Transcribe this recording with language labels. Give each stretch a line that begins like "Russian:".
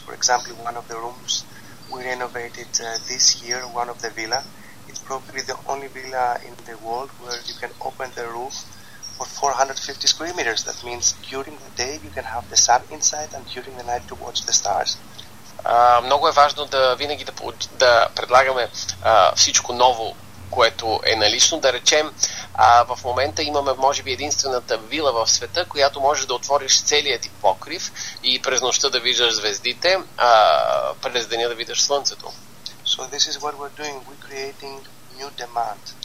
English: For example, one of the rooms we renovated this year, one of the villa, it's probably the only villa in the world where you can open the roof for 450 square meters. That means during the day you can have the sun inside and during the night to watch the stars.
Bulgarian: Много е важно да винаги да предлагаме всичко ново, което е налично. Да речем, в момента имаме може би единствената вила в света, която можеш да отвориш целият ти покрив и през нощта да виждаш звездите, а през деня да виждаш слънцето.
English: So this is what we're doing. We're creating new demand.